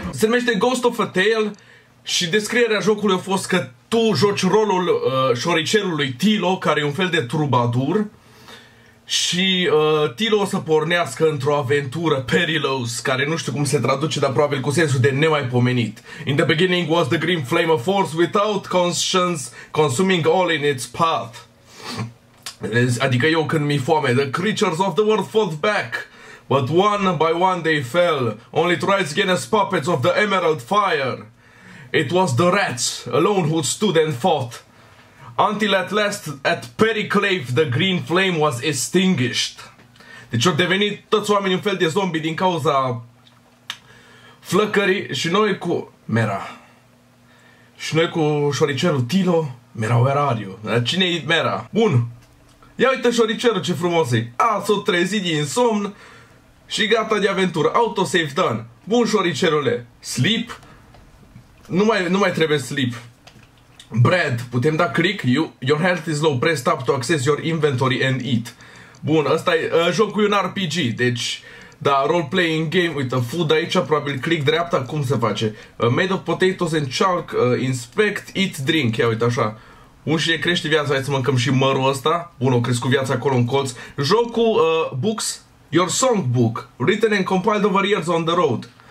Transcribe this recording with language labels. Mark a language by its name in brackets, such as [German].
[Romanian] Se numește Ghost of a Tale și descrierea jocului a fost că tu joci rolul șoricelului Tilo, care e un fel de trubadur. Și Tilo o să pornească într-o aventură perilous, care nu știu cum se traduce, dar probabil cu sensul de nemaipomenit. [English] In the beginning was the green flame of force without conscience, consuming all in its path. [Romanian] Adică eu când mi-e foame, [English] the creatures of the world fought back, but one by one they fell, only to rise again as puppets of the emerald fire. It was the rats alone who stood and fought. Until at last, at Periclave, the green flame was extinguished. [Romanian] Deci au devenit toți oamenii un fel de zombie din cauza flăcării și noi cu... Mera. Și noi cu șoricelul Tilo, Mera, [English] where are you? [Romanian] Cine e Mera? Bun. Ia uite șoricelul ce frumos e. A, s-o trezit din somn și gata de aventură. [English] Autosave done. [Romanian] Bun, șoricelule. Sleep? Nu mai trebuie sleep. Brad, putem da click? [English] Your health is low, press tab to access your inventory and eat. [Romanian] Bun, ăsta e, jocul e un RPG, deci, da, role-playing game, uite, food aici, probabil click dreapta, cum se face? [English] Made of potatoes and chalk, inspect, eat, drink, [Romanian] ia uite așa. Un și crește viața, hai să mâncăm și mărul ăsta. Bun, o crescut viața acolo în colț. [English] Jocul, books, your songbook, written and compiled over years on the road.